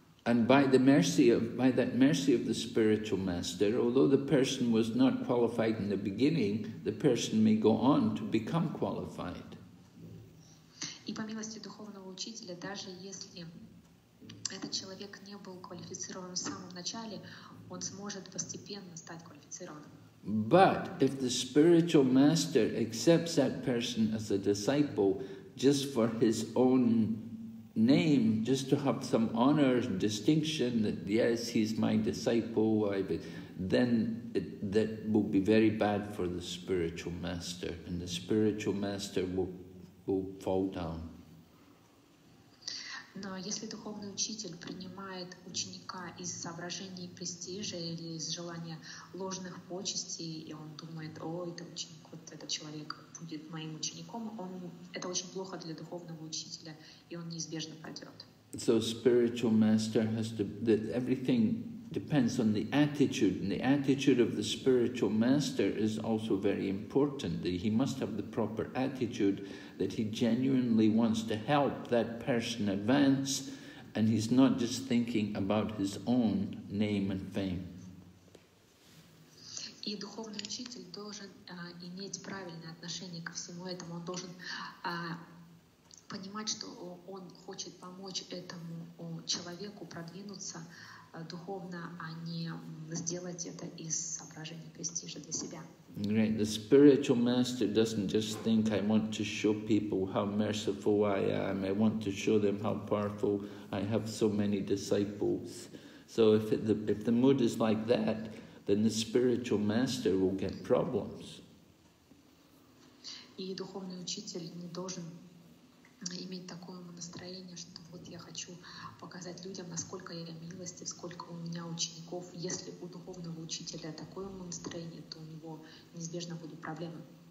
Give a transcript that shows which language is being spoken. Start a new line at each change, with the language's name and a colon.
English: And by that mercy of the spiritual master, although the person was not qualified in the beginning, the person may go on to become qualified.
Russian: И по милости духовного учителя, даже если этот человек не был квалифицирован в самом начале, он сможет постепенно стать квалифицированным.
English: But if the spiritual master accepts that person as a disciple just for his own name, just to have some honor and distinction that yes, he's my disciple, then that will be very bad for the spiritual master, and the spiritual master will fall down.
Russian: Но если духовный учитель принимает ученика из соображений престижа или из желания ложных почестей, и он думает, о, это ученик, вот этот человек будет моим учеником, это очень плохо для духовного учителя, и он неизбежно падет.
English: So spiritual master has to, that everything depends on the attitude, and the attitude of the spiritual master is also very important, that he must have the proper attitude, that he genuinely wants to help that person advance, and he's not just thinking about his own name and fame.
Russian: И духовный учитель должен иметь правильное отношение ко всему этому. Он должен понимать, что он хочет помочь этому человеку продвинуться духовно, а не сделать это из соображений престижа для себя.
English: Right. The spiritual master doesn't just think, I want to show people how merciful I am, I want to show them how powerful, I have so many disciples. So if the mood is like that, then the spiritual master will get problems.
Russian: И духовный учитель не должен иметь такое настроение, что вот я хочу показать людям, насколько я милостив, сколько у меня учеников. Если у духовного учителя такое настроение, то у него неизбежно будут проблемы.